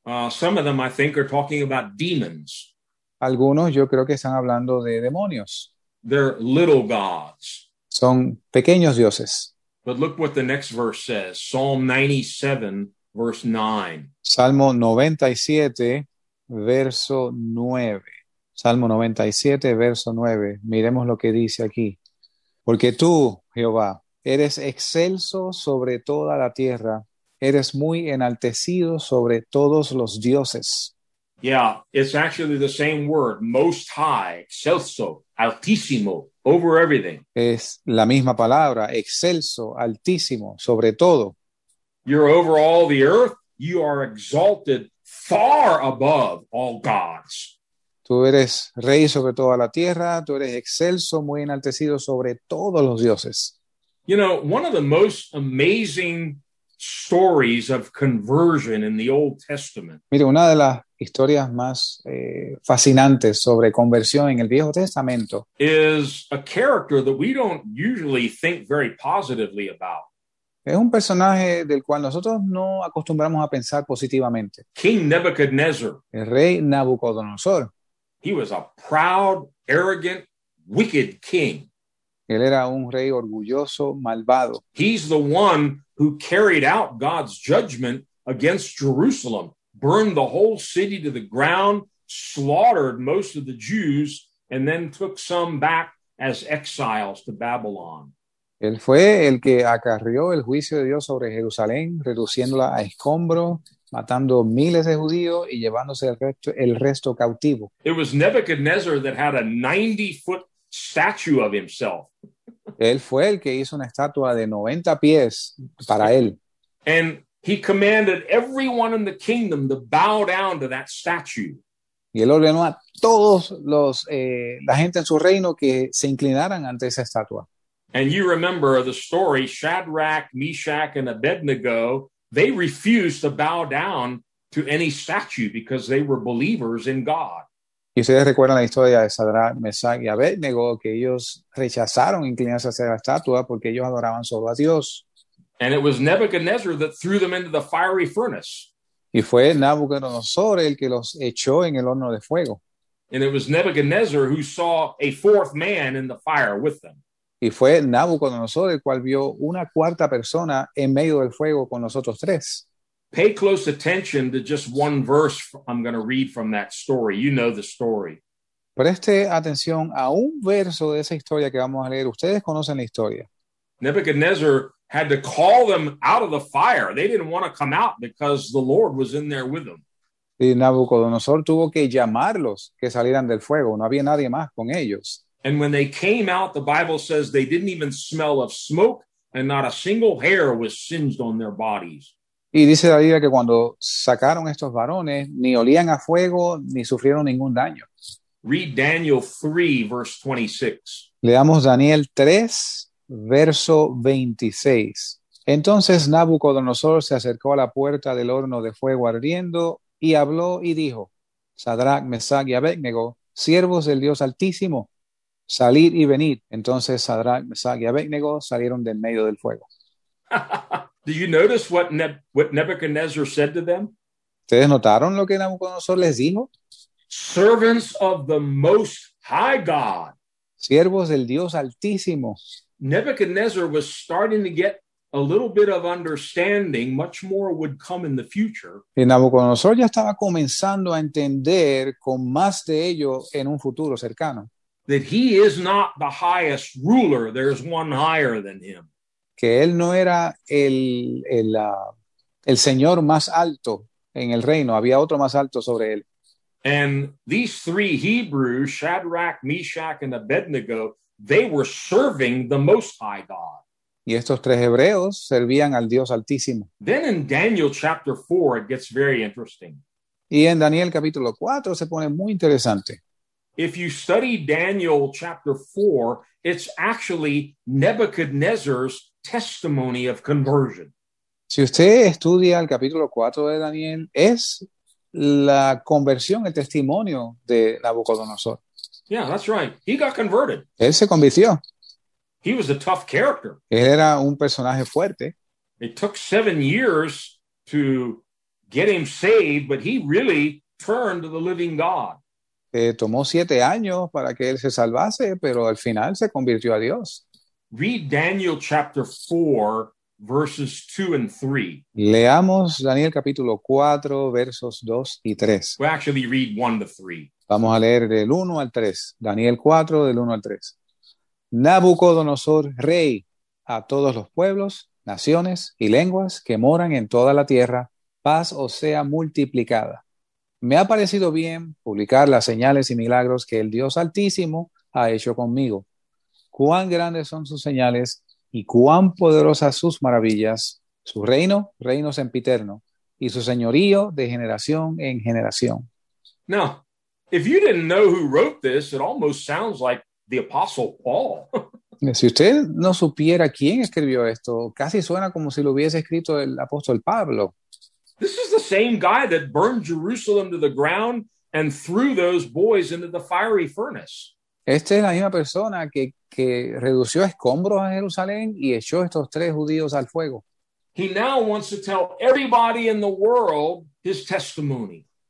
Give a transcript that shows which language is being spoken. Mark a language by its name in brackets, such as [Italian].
[English] Some of them, I think, are talking about demons. [Spanish] Algunos, yo creo que están hablando de demonios. [English] They're little gods. [Spanish] Son pequeños dioses. [English] But look what the next verse says, Psalm 97, verse 9. [Spanish] Salmo 97, verso 9. Salmo 97, verso 9. Miremos lo que dice aquí. Porque tú, Jehová, eres excelso sobre toda la tierra. Eres muy enaltecido sobre todos los dioses. [English] Yeah, it's actually the same word, most high, excelso, altísimo, over everything. [Spanish] Es la misma palabra, excelso, altísimo, sobre todo. [English] You're over all the earth. You are exalted far above all gods. [Spanish] Tú eres rey sobre toda la tierra, tú eres excelso, muy enaltecido sobre todos los dioses. [English] You know, one of the most amazing stories of conversion in the Old Testament. [Spanish] Mire, una de las historias más fascinantes sobre conversión en el Viejo Testamento [English] is a character that we don't usually think very positively about. [Spanish] Es un personaje del cual nosotros no acostumbramos a pensar positivamente. [English] King Nebuchadnezzar. [Spanish] El rey Nabucodonosor. [English] He was a proud, arrogant, wicked king. [Spanish] Él era un rey orgulloso, malvado. [English] He's the one who carried out God's judgment against Jerusalem, burned the whole city to the ground, slaughtered most of the Jews, and then took some back as exiles to Babylon. [Spanish] Él fue el que acarrió el juicio de Dios sobre Jerusalén, reduciéndola a escombro, matando miles de judíos y llevándose el resto cautivo. [English] It was Nebuchadnezzar that had a 90-foot statue of himself. [Spanish] Él fue el que hizo una estatua de 90 pies para él. [English] And he commanded everyone in the kingdom to bow down to that statue. [Spanish] Y él ordenó a todos los la gente en su reino que se inclinaran ante esa estatua. [English] And you remember the story, Shadrach, Meshach, and Abednego, they refused to bow down to any statue because they were believers in God. [Spanish] Y ustedes recuerdan la historia de Shadrach, Meshach y Abednego, que ellos rechazaron inclinarse hacia la estatua porque ellos adoraban solo a Dios. [English] And it was Nebuchadnezzar that threw them into the fiery furnace. [Spanish] Y fue Nabucodonosor el que los echó en el horno de fuego. [English] And it was Nebuchadnezzar who saw a fourth man in the fire with them. [Spanish] Y fue Nabucodonosor el cual vio una cuarta persona en medio del fuego con los otros tres. [English] Pay close attention to just one verse I'm going to read from that story. You know the story. [Spanish] Preste atención a un verso de esa historia que vamos a leer. Ustedes conocen la historia. [English] Nebuchadnezzar had to call them out of the fire. They didn't want to come out because the Lord was in there with them. [Spanish] Y Nabucodonosor tuvo que llamarlos que salieran del fuego. No había nadie más con ellos. [English] And when they came out, the Bible says they didn't even smell of smoke and not a single hair was singed on their bodies. [Spanish] Y dice la Biblia que cuando sacaron estos varones, ni olían a fuego ni sufrieron ningún daño. [English] Read Daniel 3, verse 26. [Spanish] Leamos Daniel 3, verso 26. Entonces Nabucodonosor se acercó a la puerta del horno de fuego ardiendo y habló y dijo, Shadrach, Meshach y Abednego, siervos del Dios Altísimo, salid y venid. Entonces Shadrach, Meshach y Abednego salieron del medio del fuego. [English] Do you notice what Nebuchadnezzar said to them? [Spanish] ¿Ustedes notaron lo que Nabucodonosor les dijo? [English] Servants of the Most High God. [Spanish] Siervos del Dios Altísimo. [English] Nebuchadnezzar was starting to get a little bit of understanding. Much more would come in the future. [Spanish] Y Nabucodonosor ya estaba comenzando a entender con más de ello en un futuro cercano. [English] That he is not the highest ruler. There's one higher than him. [Spanish] Que él no era el señor más alto en el reino. Había otro más alto sobre él. [English] And these three Hebrews, Shadrach, Meshach, and Abednego, they were serving the Most High God. [Spanish] Y estos tres hebreos servían al Dios Altísimo. [English] Then in Daniel chapter 4, it gets very interesting. [Spanish] Y en Daniel capítulo 4 se pone muy interesante. [English] If you study Daniel chapter 4, it's actually Nebuchadnezzar's testimony of conversion. [Spanish] Si usted estudia el capítulo 4 de Daniel, es la conversión, el testimonio de Nabucodonosor. [English] Yeah, that's right. He got converted. [Spanish] Él se convirtió. [English] He was a tough character. [Spanish] Él era un personaje fuerte. [English] It took 7 years to get him saved, but he really turned to the living God. [Spanish] Tomó 7 años para que él se salvase, pero al final se convirtió a Dios. [English] Read Daniel chapter 4, verses 2 and 3. [Spanish] Leamos Daniel capítulo 4, versos 2 y 3. [English] We'll actually read 1 to 3. [Spanish] Vamos a leer del 1 al 3. Daniel 4, del 1 al 3. Nabucodonosor, rey, a todos los pueblos, naciones y lenguas que moran en toda la tierra, paz os sea multiplicada. Me ha parecido bien publicar las señales y milagros que el Dios Altísimo ha hecho conmigo. Cuán grandes son sus señales y cuán poderosas sus maravillas. Su reino, reino sempiterno, y su señorío de generación en generación. [English] Now, if you didn't know who wrote this, it almost sounds like the Apostle Paul. [Spanish] Si usted no supiera quién escribió esto, casi suena como si lo hubiese escrito el apóstol Pablo. [English] This is the same guy that burned Jerusalem to the ground and threw those boys into the fiery furnace. [Spanish] Esta es la misma persona que redució escombros a Jerusalén y echó estos tres judíos al fuego. [English] He now wants to tell everybody in the world his testimony.